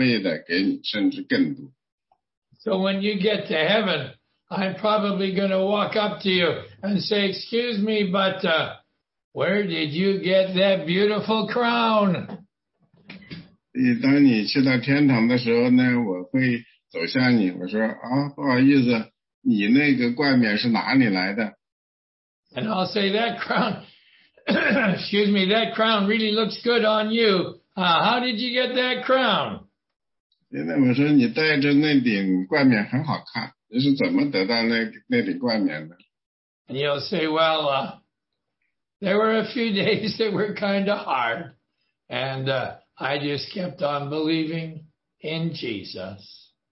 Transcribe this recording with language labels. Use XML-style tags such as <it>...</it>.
<zh>所以神呢，他不会试探你，但是神会看着你在你受试探的时候。如果你忍受了这些试探，那神会呢，把所有的加倍的给你，甚至更多。</zh> <en>So when you get to heaven, I'm probably going to walk up to you and say, excuse me, but where did you get that beautiful crown?</en> <zh>当你去到天堂的时候呢，我会走向你，我说啊，不好意思，你那个冠冕是哪里来的？</zh> <en>And I'll say, that crown, excuse me, that crown really looks good on you. How did you get that crown?</en> <zh>现在我说你戴着那顶冠冕很好看。你是怎么得到那顶冠冕的？</zh> <en>And you'll say, well, there were a few days that were kind of hard, and I just kept on believing in Jesus.</en>